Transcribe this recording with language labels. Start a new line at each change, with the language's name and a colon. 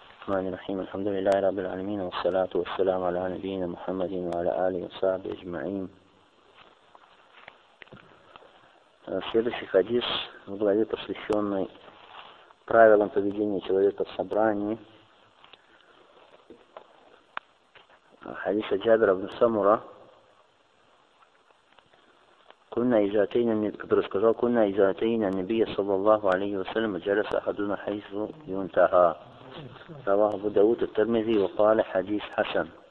Arabic: الرحمن الرحيم، الحمد لله رب العالمين، والصلاة والسلام على نبينا محمد وعلى آله وصحبه أجمعين.
Russian: Следующий хадис в главе, посвященный правилам поведения человека в собрании. Хадис от Джабира ибн Самура. Который сказал,
Arabic: «Кунна изатейна Набия саллаллаху алейхи ва саллям, джаляса ахадуна хайсу юнтаха». رواه أبو داود الترمذي وقال حديث حسن.